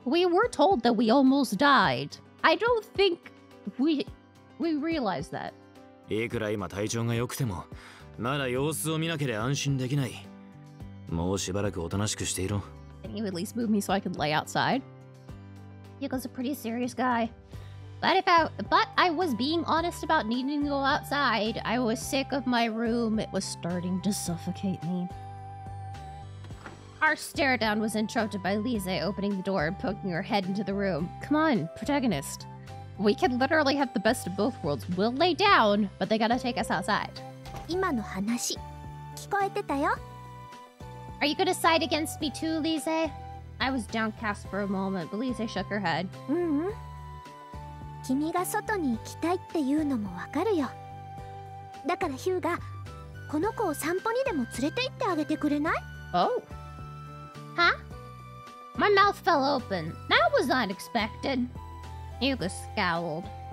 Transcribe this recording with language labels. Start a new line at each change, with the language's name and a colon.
English: We were told that we almost died. I don't think we realize that.
Japanese: いくら今体調が良くても、まだ様子を見なければ安心できない。もうしばらくおとなしくしていろ。
English: Can you at least move me so I can lay outside? Hyuga's a pretty serious guy. But I was being honest about needing to go outside. I was sick of my room. It was starting to suffocate me. Our stare down was interrupted by Lise opening the door and poking her head into the room. Come on, protagonist. We can literally have the best of both worlds. We'll lay down, but they gotta take us outside.
Japanese: 今の話、聞こえてたよ?
English: Are you gonna side against me too, Lise? I was downcast for a moment, but Lise shook her head. Mm-hmm.
Japanese: 君が外に行きたいっていうのもわかるよ。だから Hyuga, この子を散歩にでも連れて行ってあげてくれない？
English: Oh. Huh? My mouth fell open. That was unexpected. Hyuga scowled.